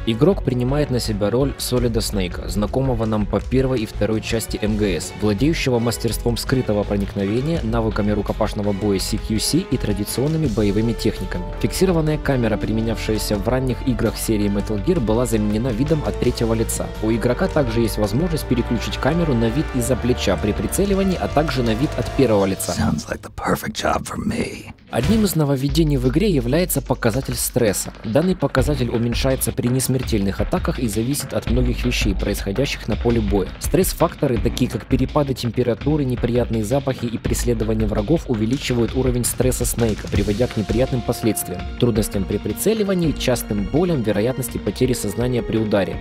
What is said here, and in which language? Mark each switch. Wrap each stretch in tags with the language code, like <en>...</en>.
<ru>Игрок принимает на себя роль Солида Снейка, знакомого нам по первой и второй части МГС, владеющего мастерством скрытого проникновения, навыками рукопашного боя CQC и традиционными боевыми техниками. Фиксированная камера, применявшаяся в ранних играх серии Metal Gear, была заменена видом от третьего лица. У игрока также есть возможность переключить камеру на вид из-за плеча при прицеливании, а также на вид от первого лица.</ru> <en>Sounds like the perfect job for me.</en> <ru>Одним из нововведений в игре является показатель стресса. Данный показатель уменьшается при несмертельных атаках и зависит от многих вещей, происходящих на поле боя. Стресс-факторы, такие как перепады температуры, неприятные запахи и преследование врагов, увеличивают уровень стресса Снейка, приводя к неприятным последствиям, трудностям при прицеливании, частым болям, вероятности потери сознания при ударе.</ru>